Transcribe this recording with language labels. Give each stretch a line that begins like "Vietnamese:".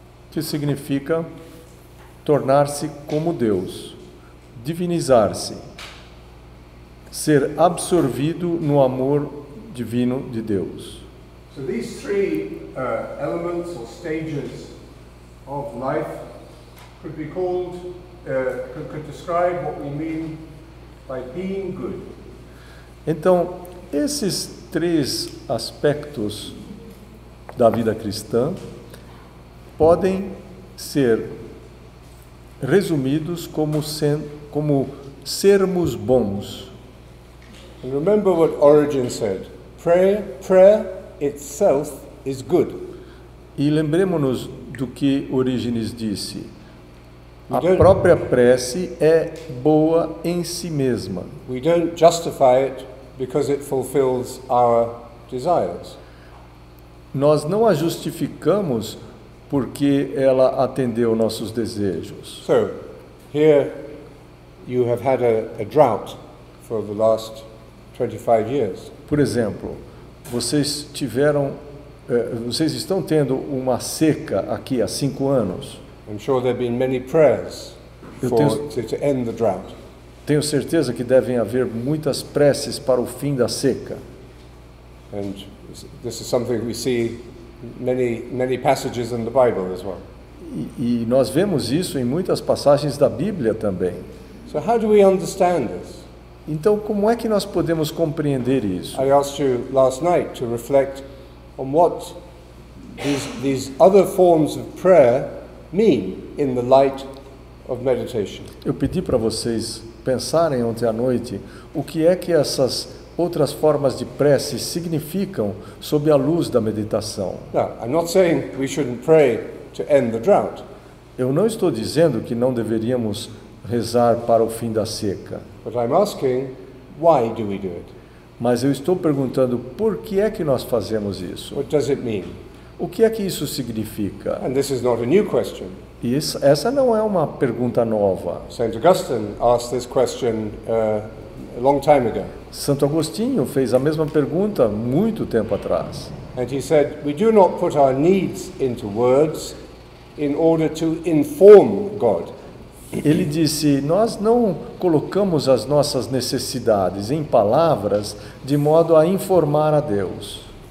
Portuguese: Que significa tornar-se como Deus, divinizar-se, ser absorvido no amor divino de Deus.
English: So these three elements or stages of life could be called could describe what we mean by being good.
Portuguese: Então, esses três aspectos da vida cristã podem ser resumidos como sermos bons.
English: And remember what Origen said. Prayer itself is good.
Portuguese: E lembremos-nos do que Orígenes disse. A própria prece é boa em si mesma.
English: We don't justify it because it fulfills our desires.
Portuguese: Nós não a justificamos porque ela atendeu nossos desejos.
English: So, here you have had a drought for the last 25 years.
Portuguese: Por exemplo, vocês estão tendo uma seca aqui há 5 anos.
English: I'm sure there have been many prayers to end the drought.
Portuguese: Tenho certeza que devem haver muitas preces para o fim da seca.
English: And this is something we see many passages in the Bible as well.
Portuguese: E nós vemos isso em muitas passagens da Bíblia também.
English: So how do we understand this?
Portuguese: Então, como é que nós podemos compreender isso?
English: I asked you last night to reflect on what these other forms of prayer mean in the light of meditation.
Portuguese: Eu pedi para vocês pensarem ontem à noite o que é que essas outras formas de prece significam sob a luz da meditação.
English: Now, I'm not saying we shouldn't pray to end the drought.
Portuguese: Eu não estou dizendo que não deveríamos rezar para o fim da seca.
English: But I'm asking, why do we do it?
Portuguese: Mas eu estou perguntando por que é que nós fazemos isso?
English: What does it mean?
Portuguese: O que é que isso significa?
English: And this is not a new question.
Portuguese: Essa não é uma pergunta nova.
English: Saint Augustine asked this question a long time ago.
Portuguese: Santo Agostinho fez a mesma pergunta muito tempo atrás.
English: And he said, we do not put our needs into words in order to inform God.
Portuguese: Ele disse, nós não colocamos as nossas necessidades em palavras de modo a informar a Deus.